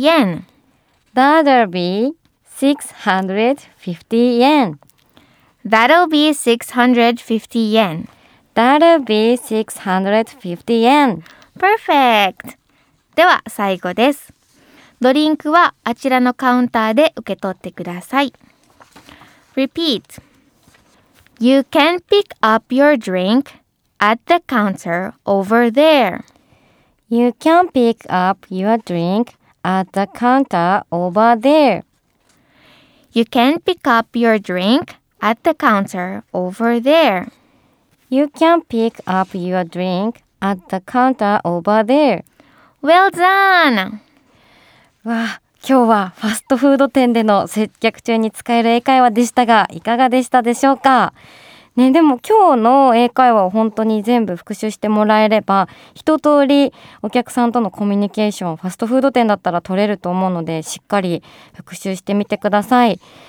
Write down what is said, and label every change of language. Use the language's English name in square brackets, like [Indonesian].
[English] yen. That'll be 650 yen. That'll be 650 yen. That'll be 650 yen. [Japanese] Perfect! では最後です。ドリンクはあちらのカウンターで受け取ってください。 [English] Repeat. You can pick up your drink at the counter over there. You can pick up your drink at the counter over there. You can pick up your drinkAt the counter over there. You can pick up your drink at the counter over there. Well done! [Japanese] わあ、今日はファストフード店での接客中に使える英会話でしたが、いかがでしたでしょうか? ね、でも今日の英会話を本当に全部復習してもらえれば、一通りお客さんとのコミュニケーション、ファストフード店だったら取れると思うので、しっかり復習してみてください。